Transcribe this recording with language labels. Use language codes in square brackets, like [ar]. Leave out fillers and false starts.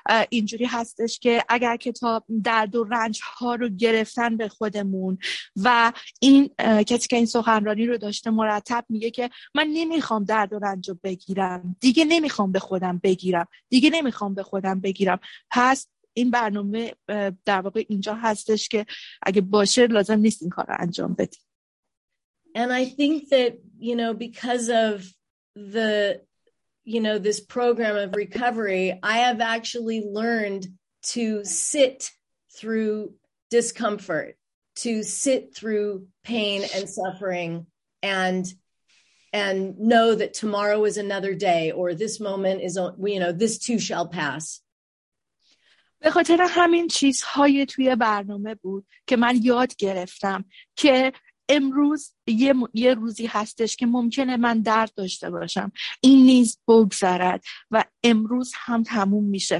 [fa] اینجوری هستش که اگر کتاب درد و رنج ها رو گرفتن به خودمون و این کسی که این سخنرانی رو داشته مرتب میگه که من نمیخوام درد و رنج رو بگیرم دیگه نمیخوام به خودم بگیرم دیگه نمیخوام به خودم بگیرم پس این برنامه در واقع اینجا هستش که اگه باشه لازم نیست این کار رو انجام بدیم. [en] And I think that, you know, because of the, you know, this program of recovery, I have actually learned to sit through discomfort, to sit through pain and suffering and know that tomorrow is another day or this moment is, you know, this too shall pass. [fa] به خاطر همین چیزهای توی برنامه بود که من یاد گرفتم که امروز یه روزی هستش که ممکنه من درد داشته باشم. این نیز بگذرد و امروز هم تموم میشه.